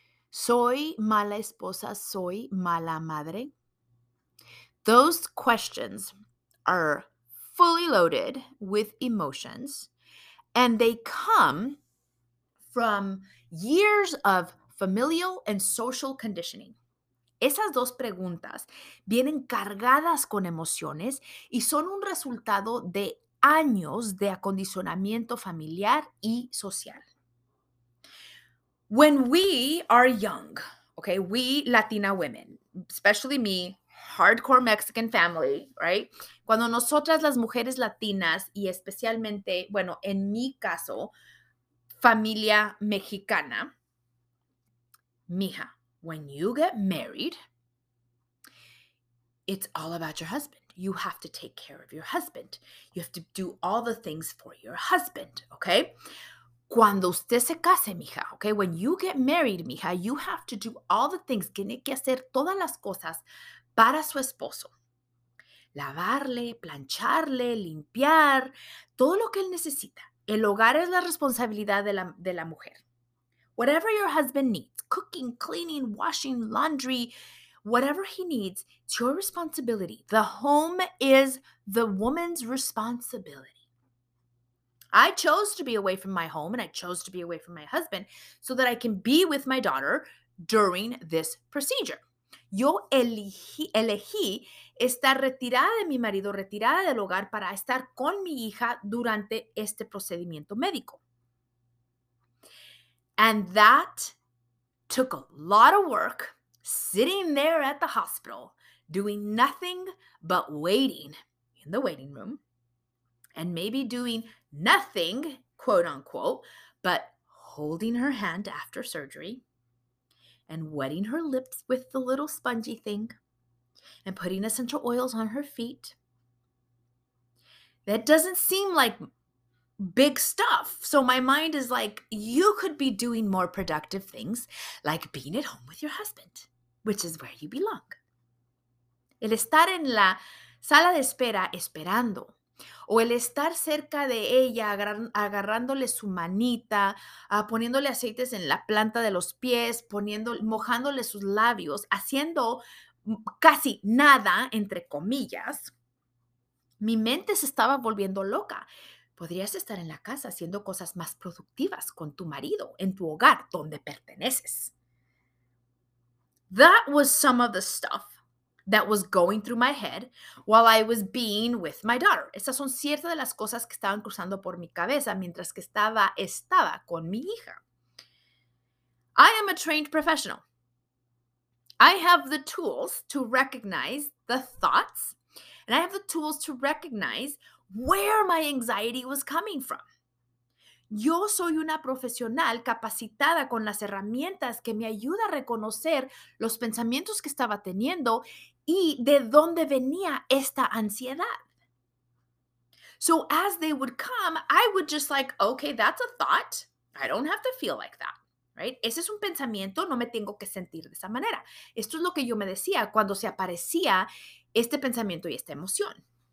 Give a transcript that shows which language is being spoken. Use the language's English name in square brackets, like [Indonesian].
[Spanish] Soy mala esposa, soy mala madre. [English] Those questions are fully loaded with emotions, and they come from years of familial and social conditioning. [Spanish] Esas dos preguntas vienen cargadas con emociones y son un resultado de años de acondicionamiento familiar y social. [English] When we are young, okay, we Latina women, especially me, hardcore Mexican family, right? [Spanish] Cuando nosotras las mujeres latinas y especialmente, bueno, en mi caso, familia mexicana, mija, [English] when you get married, it's all about your husband. You have to take care of your husband. You have to do all the things for your husband, okay? [Spanish] Cuando usted se case, [English] mija, okay? When you get married, mija, you have to do all the things. [Spanish] Tiene que hacer todas las cosas para su esposo. Lavarle, plancharle, limpiar, todo lo que él necesita. El hogar es la responsabilidad de la mujer. [English] Whatever your husband needs, cooking, cleaning, washing, laundry, whatever he needs, it's your responsibility. The home is the woman's responsibility. I chose to be away from my home and I chose to be away from my husband so that I can be with my daughter during this procedure. [Spanish] Yo elegí estar retirada de mi marido, retirada del hogar para estar con mi hija durante este procedimiento médico. [English] And that took a lot of work. Sitting there at the hospital, doing nothing but waiting in the waiting room, and maybe doing nothing, quote unquote, but holding her hand after surgery and wetting her lips with the little spongy thing and putting essential oils on her feet. That doesn't seem like big stuff. So my mind is like, you could be doing more productive things like being at home with your husband, which is where you belong. [Spanish] El estar en la sala de espera esperando, o el estar cerca de ella agarrándole su manita, poniéndole aceites en la planta de los pies, mojándole sus labios, haciendo casi nada, entre comillas, mi mente se estaba volviendo loca. Podrías estar en la casa haciendo cosas más productivas con tu marido, en tu hogar, donde perteneces. [English] That was some of the stuff that was going through my head while I was being with my daughter. [Spanish] Esas son ciertas de las cosas que estaban cruzando por mi cabeza mientras que estaba con mi hija. [English] I am a trained professional. I have the tools to recognize the thoughts, and I have the tools to recognize where my anxiety was coming from. [Spanish] Yo soy una profesional capacitada con las herramientas que me ayuda a reconocer los pensamientos que estaba teniendo y de dónde venía esta ansiedad. [English] So as they would come, I would just like, okay, that's a thought. I don't have to feel like that, right? [Spanish] Ese es un pensamiento, no me tengo que sentir de esa manera. Esto es lo que yo me decía cuando se aparecía este pensamiento y esta emoción.